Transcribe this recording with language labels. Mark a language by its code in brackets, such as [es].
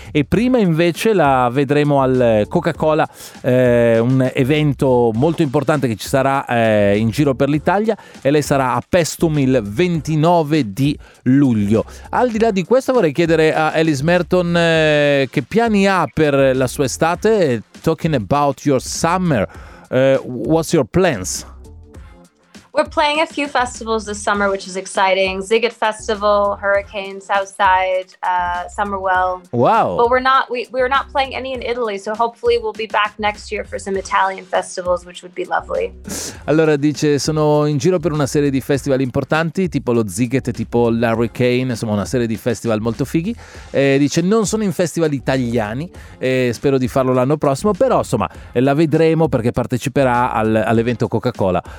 [it] E prima invece la vedremo al Coca-Cola, un evento molto importante che ci sarà in giro per l'Italia. E lei sarà a Paestum il 29 di luglio. Al di là di questo, vorrei chiedere a Alice Merton che piani ha per la sua estate. [en] Talking about your summer, what's your plans? We're playing a few festivals this summer, which is exciting. Ziget Festival, Hurricane, Southside, Summerwell. Wow. But we're not playing any in Italy, so hopefully we'll be back next year for some Italian festivals, which would be lovely. [it] Allora dice, sono in giro per una serie di festival importanti, tipo lo Ziget, tipo l'Hurricane, insomma una serie di festival molto fighi. Dice, non sono in festival italiani, spero di farlo l'anno prossimo, però insomma la vedremo perché parteciperà all'evento Coca-Cola.